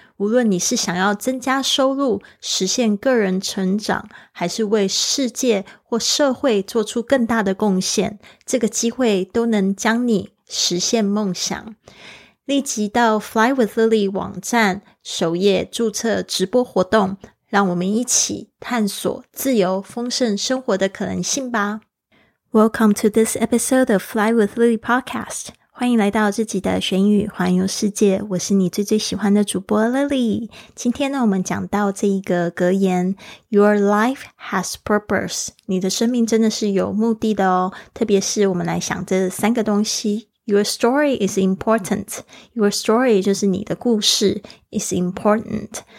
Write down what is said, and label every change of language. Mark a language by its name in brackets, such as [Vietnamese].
[Chinese] 无论你是想要增加收入，实现个人成长，还是为世界或社会做出更大的贡献，这个机会都能将你实现梦想。立即到 Fly with Lily 网站首页注册直播活动，让我们一起探索自由丰盛生活的可能性吧。 [English] Welcome to this episode of Fly with Lily podcast. [Chinese] 欢迎来到自己的学英语环游世界，我是你最最喜欢的主播 Lily。今天呢，我们讲到这一个格言， [English] Your life has purpose. [Chinese] 你的生命真的是有目的的哦，特别是我们来想这三个东西。 [English] Your story is important. Your story [Chinese] 就是你的故事 [English] is important.